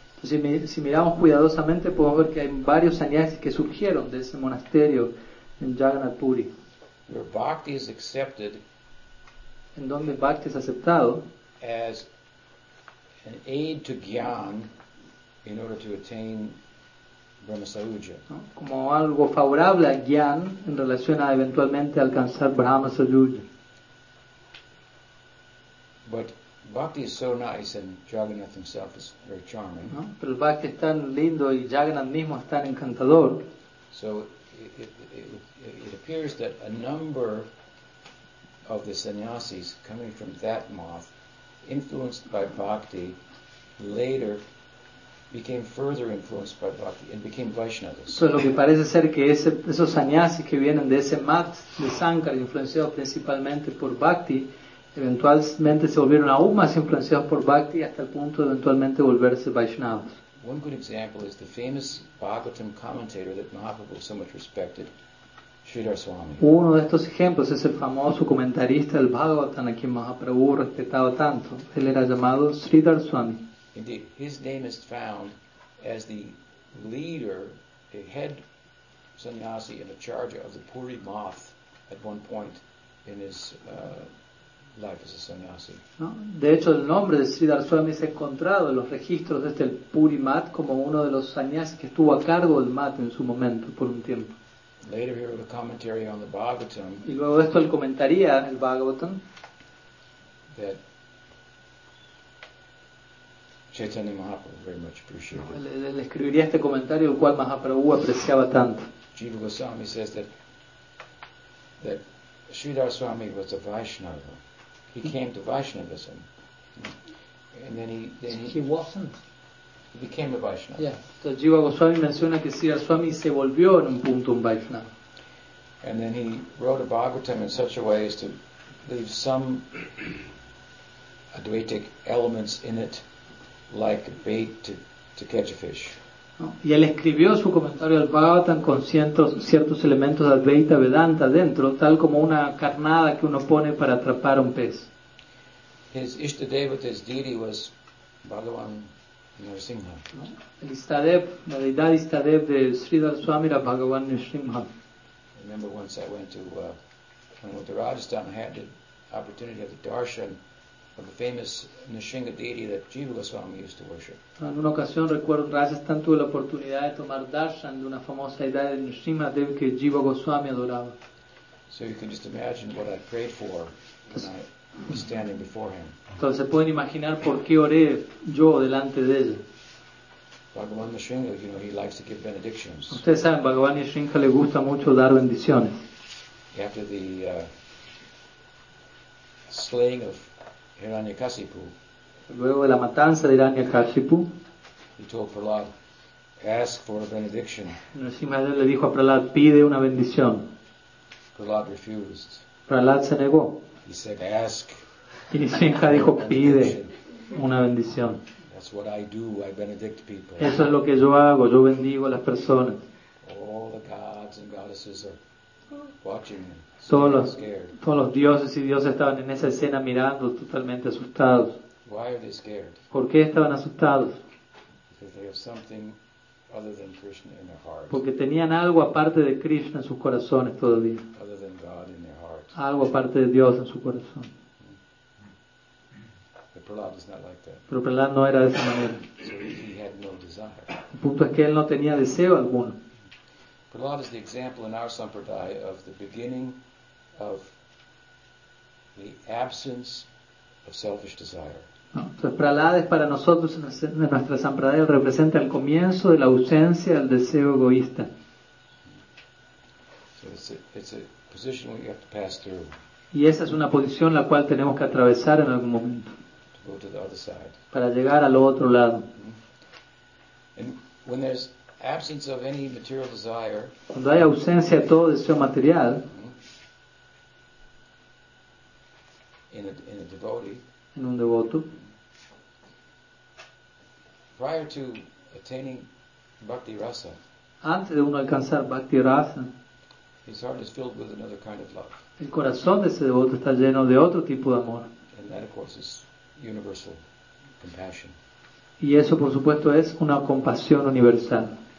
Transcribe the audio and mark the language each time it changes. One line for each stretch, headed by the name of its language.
Spanish: Si miramos cuidadosamente, podemos ver que hay varios sannyasis que surgieron de ese monasterio en Jagannath Puri.
English: Where bhakti is accepted,
Spanish: en donde bhakti es aceptado,
English: as an aid to gyan in order to attain Brahma-sayuja.
Spanish: Como algo favorable a gyan en relación a eventualmente alcanzar Brahma-sayuja.
English: But bhakti is so nice, and Jagannath himself is very charming.
Spanish: Pero el bhakti es tan lindo y Jagannath mismo es tan encantador.
English: So it appears that a number of the sannyasis coming from that moth, influenced by bhakti, later became further influenced by bhakti and became Vaishnavas.
Spanish: So lo que parece ser que esos sannyasis que vienen de ese moth de Sankara, influenciados principalmente por bhakti, eventualmente se volvieron aún más influenciados por bhakti hasta el punto de eventualmente volverse Vaishnavas.
English: One good example is the famous Bhagavatam commentator that Mahaprabhu so much respected, Sridhar Swami.
Spanish: Uno de estos ejemplos es el famoso comentarista del Bhagavatam a quien Mahaprabhu respetaba tanto. Él era llamado Sridhar Swami.
English: Indeed, his name is found as the leader, a head sannyasi and a charger of the Puri Moth at one point in his life as a sannyasi.
Spanish: No, de hecho, el nombre de Sridhar Swami se ha encontrado en los registros desde el Puri Math como uno de los sannyasis que estuvo a cargo del Math en su momento, por un tiempo.
English: Later he wrote a commentary on the Bhagavatam.
Spanish: Y luego esto él comentaría en el Bhagavatam.
English: That Chaitanya Mahaprabhu very much appreciated.
Spanish: Él escribiría este comentario el cual Mahaprabhu apreciaba tanto.
English: Jiva Goswami says that Sridhar Swami was a Vaishnava. He came to Vaishnavism, and then he became a Vaishnava. Yeah, so
Spanish: Jiva Goswami menciona que Sridhar Swami se volvió en un punto un Vaishnava.
English: And then he wrote a Bhagavatam in such a way as to leave some Advaitic elements in it, like bait to catch a fish.
Spanish: Y él escribió su comentario al Bhagavatam con ciertos elementos de Advaita Vedanta dentro, tal como una carnada que uno pone para atrapar un pez.
English: His Ishtadeva, his deity was Bhagavan Narasimha.
Spanish: El Ishtadev, la deidad Ishtadev de Sridhar Swami era Bhagavan Narasimha.
English: I remember once I went to when Rajasthan, I had the opportunity of the darshan of the famous Nrisimha deity that Jiva Goswami used to worship.
Spanish: En una ocasión recuerdo en Rajasthan tuve la oportunidad de tomar darshan de una famosa deidad de Nrisimha Dev que Jiva Goswami adoraba.
English: So you can just imagine what I prayed for when I was standing before him.
Spanish: Entonces se pueden imaginar por qué oré yo delante de él.
English: Bhagavan Nrisimha, you know, he likes to give benedictions.
Spanish: Ustedes saben, Bhagavan Nrisimha le gusta mucho dar bendiciones.
English: After the slaying of Hiranyakashipu.
Spanish: Luego de la matanza de Hiranyakashipu,
English: he told Prahlad, ask for a benediction.
Spanish: Nrisimha Dev le dijo a Prahlad, pide una bendición.
English: Prahlad refused.
Spanish: Prahlad se negó.
English: He said, ask.
Spanish: Y Nrisimha dijo, pide una bendición.
English: That's what I do. I benedict people.
Spanish: Eso es lo que yo hago. Yo bendigo a las personas.
English: All the gods and goddesses are watching him.
Spanish: Todos los dioses y dioses estaban en esa escena mirando, totalmente asustados.
English: Why are they scared?
Spanish: ¿Por qué estaban asustados?
English: Because they have something other than Krishna in their heart.
Spanish: Porque tenían algo aparte de Krishna en sus corazones todavía.
English: Other than God in their heart.
Spanish: Algo aparte de Dios en su corazón.
English: But Prahlad is not like that.
Spanish: Pero Prahlad no era de esa manera.
English: So he had no desire.
Spanish: El punto es que él no tenía deseo alguno.
English: Prahlad is the example in our sampradaya of the beginning of the absence of selfish desire.
Spanish: Entonces Prahlad es para nosotros en nuestra sampradaya representa el comienzo de la ausencia del deseo egoísta.
English: So it's a position we have to pass through.
Spanish: Y esa es una posición la cual tenemos que atravesar en algún momento.
English: To go to the other side.
Spanish: Para llegar al otro lado.
English: And when there's absence of any material desire.
Spanish: Cuando hay ausencia de todo deseo material.
English: In a devotee.
Spanish: En un devoto.
English: Prior to attaining bhakti rasa.
Spanish: Antes de uno alcanzar bhakti rasa.
English: His heart is filled with another kind of love.
Spanish: El corazón de ese devoto está lleno de otro tipo de amor.
English: And that, of course, is universal compassion.
Spanish: Y eso, por supuesto, es una compasión universal.